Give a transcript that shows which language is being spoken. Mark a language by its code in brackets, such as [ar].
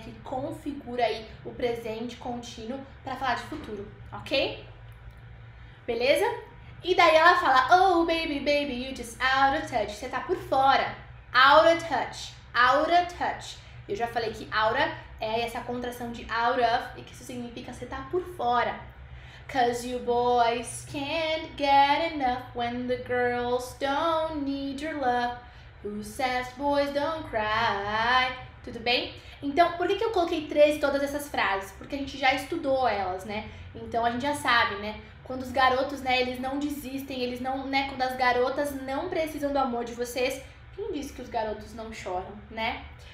[pt] Que configura aí o presente contínuo pra falar de futuro, ok? Beleza? [en] E daí ela fala, oh baby, baby, you just out of touch. [pt] Você tá por fora. [en] Out of touch. Out of touch. [pt] Eu já falei que aura é essa contração de out of e que isso significa você tá por fora. [en] Cause you boys can't get enough when the girls don't need your love. Who says boys don't cry? [pt] Tudo bem? Então, por que eu coloquei três todas essas frases? Porque a gente já estudou elas, né? Então a gente já sabe, né? Quando os garotos, né, eles não desistem, eles não, né, quando as garotas não precisam do amor de vocês, quem disse que os garotos não choram, né?